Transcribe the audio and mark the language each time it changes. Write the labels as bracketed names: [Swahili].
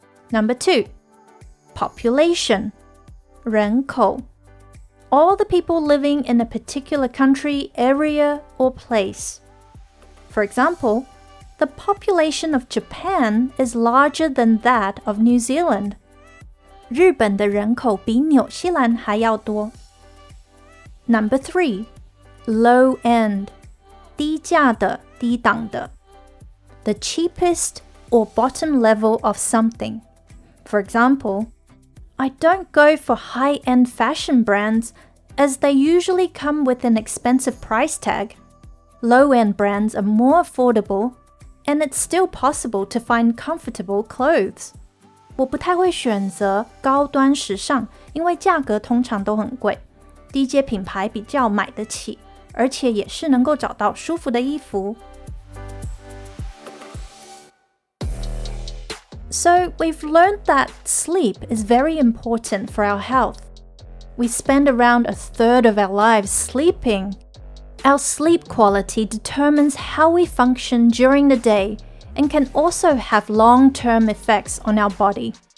[English] Number two, population. 人口, all the people living in a particular country, area, or place. For example, the population of Japan is larger than that of New Zealand. [Chinese] 日本的人口比纽西兰还要多。 [English] Number three, [Chinese] low end, 低价的、低档的。 [English] The cheapest or bottom level of something. For example, I don't go for high-end fashion brands as they usually come with an expensive price tag. Low-end brands are more affordable and it's still possible to find comfortable clothes. [Chinese] 我不太会选择高端时尚，因为价格通常都很贵。低阶品牌比较买得起，而且也是能够找到舒服的衣服。 [English] So, we've learned that sleep is very important for our health. We spend around a third of our lives sleeping. Our sleep quality determines how we function during the day and can also have long-term effects on our body.